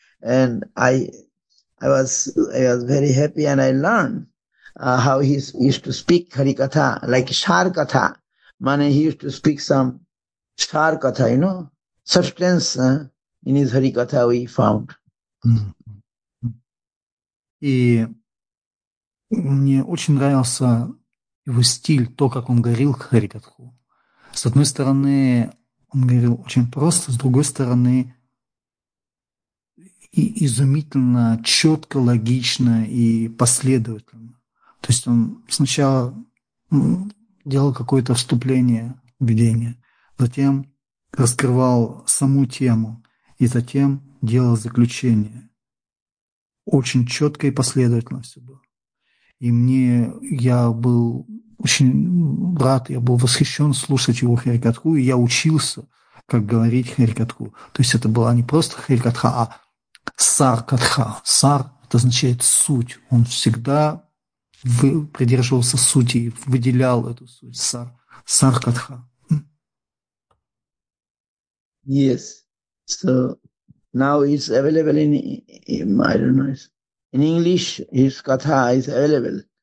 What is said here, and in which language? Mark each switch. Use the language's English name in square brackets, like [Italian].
[English] And I was very happy and I learned how he used to speak Harikatha, like Sharkatha. Mane, he used to speak some Sharkatha, you know, substance in his Harikatha we found. [Russian] И мне очень нравился его стиль, то, как он говорил харикатху. С одной стороны, он говорил очень просто, с другой стороны, и изумительно, четко, логично и последовательно. То есть он сначала делал какое-то вступление, введение, затем раскрывал саму тему и затем делал заключение. Очень четко и последовательно все было. И мне, я был очень рад, я был восхищен слушать его харикатху, и я учился, как говорить харикатху. То есть это была не просто харикатха, а саркатха. Сар – это означает суть. Он всегда придерживался сути и выделял эту суть. Сар, саркатха. [English] Yes, so now it's available in I don't know, it's in English, his katha is available.